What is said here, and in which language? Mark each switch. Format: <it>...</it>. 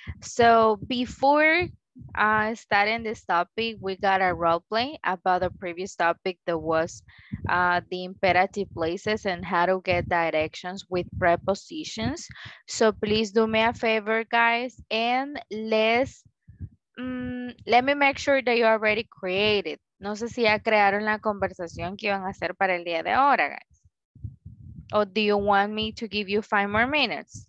<en>So before starting this topic, we got a role play about the previous topic that was the imperative places and how to get directions with prepositions. So please do me a favor, guys, and let me make sure that you already created.</en> <es>No sé si ya crearon la conversación que iban a hacer para el día de ahora, guys.</es> <en>Or do you want me to give you 5 more minutes?</en>